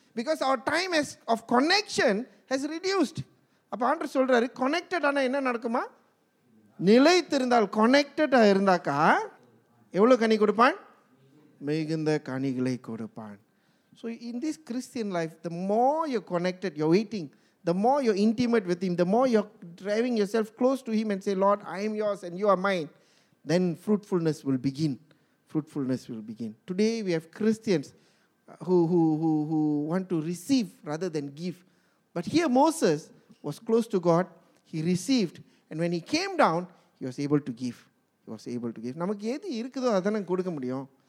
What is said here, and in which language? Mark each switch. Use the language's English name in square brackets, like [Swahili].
[English] Because our time has, of connection has reduced. [Tamil] அப்போ ஆண்டவர் சொல்கிறாரு, connected ஆனால் என்ன நடக்குமா, நிலைத்திருந்தால், கனெக்டடாக இருந்தாக்கா எவ்வளோ கனி கொடுப்பான், மிகுந்த கனிகளை கொடுப்பான். [English] So in this Christian life, the more you connected you waiting, the more you're intimate with Him, the more you're driving yourself close to Him and say, Lord, I am yours and you are mine, then fruitfulness will begin. Fruitfulness will begin. Today we have Christians who want to receive rather than give. But here Moses was close to God, he received, and when he came down, he was able to give. He was able to give. [Tamil] நமக்கு எது இருக்குதோ அதை நான் கொடுக்க முடியும்.